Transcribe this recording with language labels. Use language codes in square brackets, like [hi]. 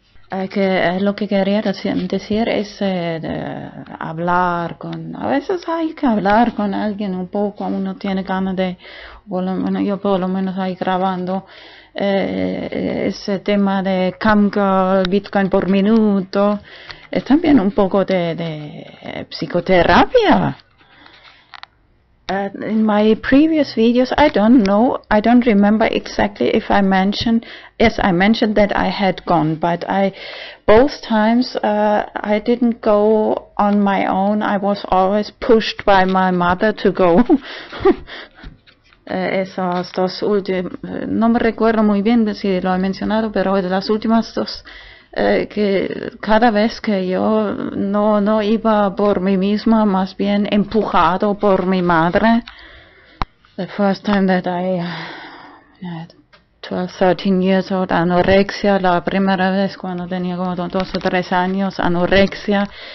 [es] Que lo que quería decir es hablar con, a veces hay que hablar con alguien un poco, uno tiene ganas de, bueno, yo por lo menos ahí grabando ese tema de camgirl, Bitcoin por minuto, es también un poco de psicoterapia. [en] In my previous videos, I don't remember exactly if I mentioned, yes, I mentioned that I had gone, but both times I didn't go on my own. I was always pushed by my mother to go. [es] Esas dos últimas, no me recuerdo muy bien si lo he mencionado, pero de las últimas dos, que cada vez que yo no iba por mí misma, más bien empujado por mi madre. [en] The first time that I had 12, 13 years old, anorexia. [es] La primera vez cuando tenía como dos o tres años, anorexia.